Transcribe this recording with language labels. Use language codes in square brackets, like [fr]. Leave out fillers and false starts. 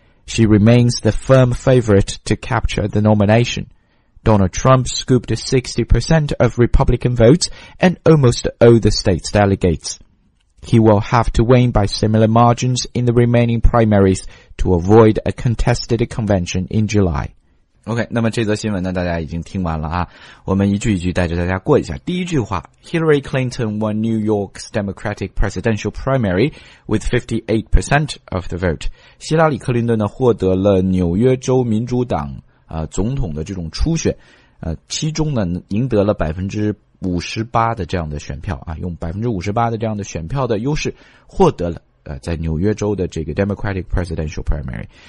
[en] She remains the firm favorite to capture the nomination. Donald Trump scooped 60% of Republican votes and almost all the state's delegates. He will have to win by similar margins in the remaining primaries to avoid a contested convention in July. [zh] OK, 那么这则新闻呢大家已经听完了啊。我们一句一句带着大家过一下。第一句话， [en] Hillary Clinton won New York's Democratic presidential primary with 58% of the vote. [zh] 希拉里·克林顿呢获得了纽约州民主党总统的这种初选，其中呢赢得了 58% 的这样的选票啊，用 58% 的这样的选票的优势获得了在纽约州的这个 [en] Democratic Presidential Primary。